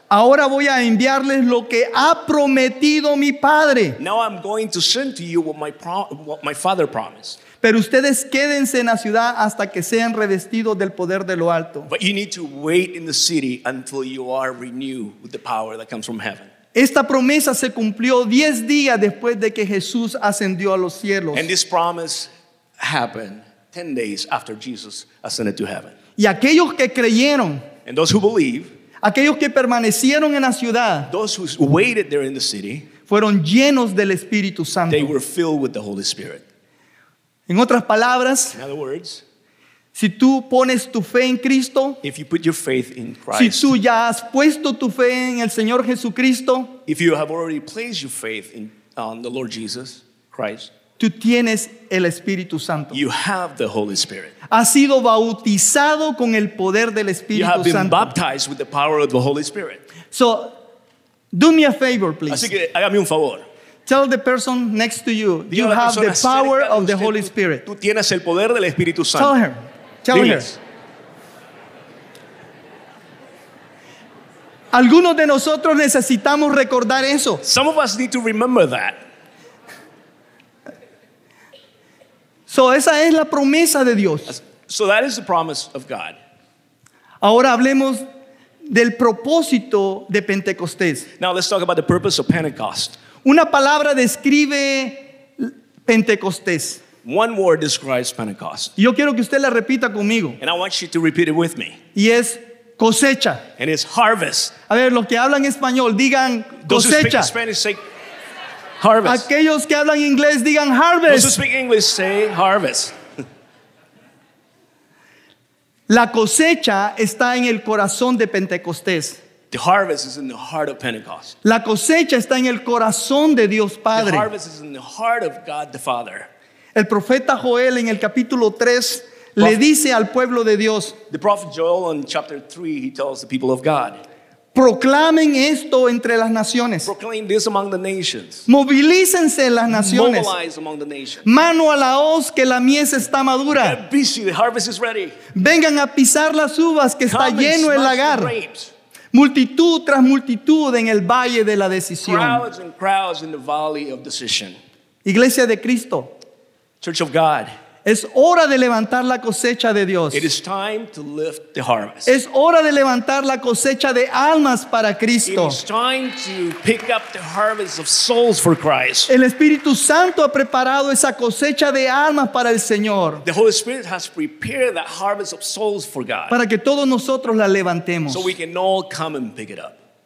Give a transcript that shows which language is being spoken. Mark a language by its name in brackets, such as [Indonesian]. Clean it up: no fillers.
[Spanish] ahora voy a enviarles lo que ha prometido mi Padre. [English] Now I'm going to send to you what my Father promised. [Spanish] Pero ustedes quédense en la ciudad hasta que sean revestidos del poder de lo alto. [English] But you need to wait in the city until you are renewed with the power that comes from heaven. [Spanish] Esta promesa se cumplió 10 días después de que Jesús ascendió a los cielos. [English] And this promise happened 10 days after Jesus ascended to heaven. [Spanish] Y aquellos que creyeron, [English] and those who believe, [Spanish] aquellos que permanecieron en la ciudad, [English] those who waited there in the city, [Spanish] fueron llenos del Espíritu Santo. [English] They were filled with the Holy Spirit. [Spanish] En otras palabras, [English] in other words, [Spanish] si tú pones tu fe en Cristo, [English] if you put your faith in Christ, [Spanish] si tú ya has puesto tu fe en el Señor Jesucristo, [English] if you have already placed your faith in the Lord Jesus Christ, [Spanish] tú tienes el Espíritu Santo. [English] You have the Holy Spirit. [Spanish] Has sido bautizado con el poder del Espíritu Santo. [English] You have been [Spanish] Santo. [English] Baptized with the power of the Holy Spirit. So, do me a favor, please. [Spanish] Así que, hágame un favor. [English] Tell the person next to you, [Spanish] diga [English] you have the power [Spanish] usted, [English] of the Holy Spirit. [Spanish] Tú tienes el poder del Espíritu Santo. [English] Tell her. Tell [Spanish] Diles. [English] Her. [Spanish] Algunos de nosotros necesitamos recordar eso. [English] Some of us need to remember that. [Spanish] So esa es la promesa de Dios. [English] So that is the promise of God. [Spanish] Ahora hablemos del propósito de Pentecostés. [English] Now let's talk about the purpose of Pentecost. [Spanish] Una palabra describe Pentecostés. [English] One word describes Pentecost. [Spanish] Yo quiero que usted la repita conmigo. [English] And I want you to repeat it with me. [Spanish] Y es cosecha. [English] And it's harvest. [Spanish] A ver, los que hablan español digan cosecha. [English] Those who speak Spanish say harvest. [Spanish] Aquellos que hablan inglés digan harvest. [English] Those who speak English say harvest. [Spanish] La cosecha está en el corazón de Pentecostés. [English] The harvest is in the heart of Pentecost. [Spanish] La cosecha está en el corazón de Dios Padre. [English] The harvest is in the heart of God the Father. [Spanish] El profeta Joel en el capítulo 3 le dice al pueblo de Dios. [English] The prophet Joel in chapter 3 he tells the people of God. [Spanish] Proclamen esto entre las naciones. [English] Proclaim this among the nations. [Spanish] Movilícense las naciones. [English] Mobilize among the nations. [Spanish] Mano a la hoz que la mies está madura. [English] Get busy, the harvest is ready. [Spanish] Vengan a pisar las uvas que [English] come [Spanish] está lleno el lagar. [English] The grapes. [Spanish] Multitud tras multitud en el valle de la decisión. [English] Crowds and crowds in the valley of decision. [Spanish] Iglesia de Cristo. [English] Church of God. [Spanish] Es hora de levantar la cosecha de Dios. [English] It is time to lift the harvest. [Spanish] Es hora de levantar la cosecha de almas para Cristo. [English] It is time to pick up the harvest of souls for Christ. [Spanish] El Espíritu Santo ha preparado esa cosecha de almas para el Señor. [English] The Holy Spirit has prepared that harvest of souls for God. [Spanish] Para que todos nosotros la levantemos. [English] So we can all come and pick it up.